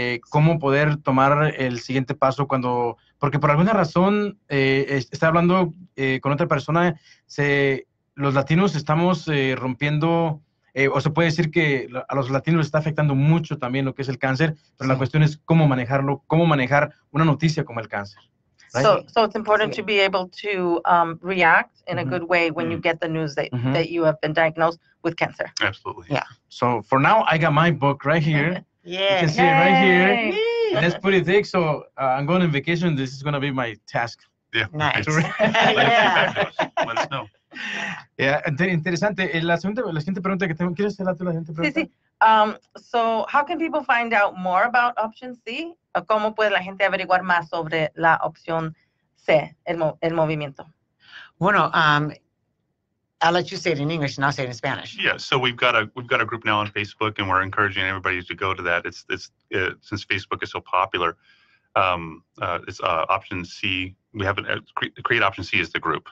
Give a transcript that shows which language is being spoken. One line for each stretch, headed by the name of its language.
Spanish: Cómo poder tomar el siguiente paso cuando, porque por alguna razón, estaba hablando con otra persona, los latinos estamos rompiendo, o se puede decir que a los latinos está afectando mucho también lo que es el cáncer, pero sí. La cuestión es cómo manejarlo, cómo manejar una noticia como el cáncer.
English: Right? So it's important to be able to react in a good way when you get the news that that you have been diagnosed with cancer. Absolutely. Yeah. So for now, I got my book right here. Yeah. You can see it right here. And it's pretty thick, so I'm going on vacation. This is going to be my task. Yeah. Nice. Let us know.
Spanish: Yeah, interesante. La siguiente pregunta que tengo, ¿quieres hacer la siguiente pregunta? Sí, sí.
English: So how can people find out more about option C?
Spanish: ¿Cómo puede la gente averiguar más sobre la opción C, el movimiento?
English: Bueno, I'll let you say it in English and I'll say it in Spanish. Yeah, so we've got a group now on Facebook and we're encouraging everybody to go to that. It's since Facebook is so popular. It's option C. We have an create option C is the group.